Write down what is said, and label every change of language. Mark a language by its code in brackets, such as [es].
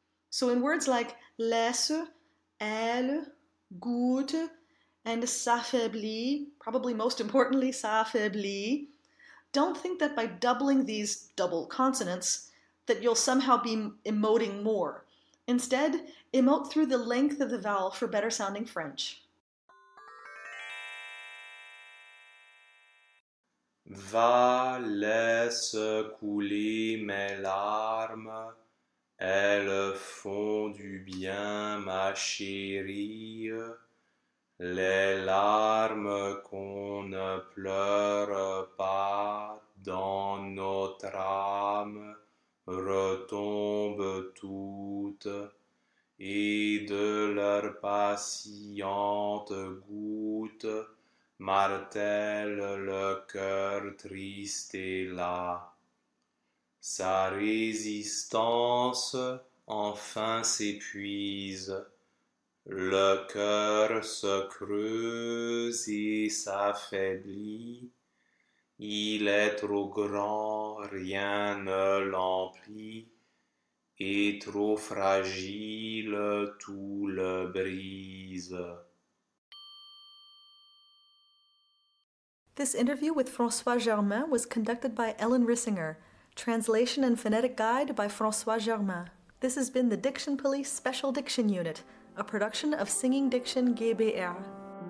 [en] So in words like laisse, elle, goûte, and s'affaiblit, probably most importantly, s'affaiblit, don't think that by doubling these double consonants that you'll somehow be emoting more. Instead, emote through the length of the vowel for better sounding French. [fr] Va laisse couler mes larmes. Elles font du bien, ma chérie. Les larmes qu'on ne pleure pas dans notre âme retombent toutes, et de leurs patientes gouttes martèlent le cœur triste et las. Sa résistance enfin s'épuise, le cœur se creuse et s'affaiblit, il est trop grand, rien ne l'emplit, et trop fragile tout le brise. [en] This interview with François Germain was conducted by Ellen Rissinger. Translation and Phonetic Guide by François Germain. This has been the Diction Police Special Diction Unit, a production of Singing Diction GbR.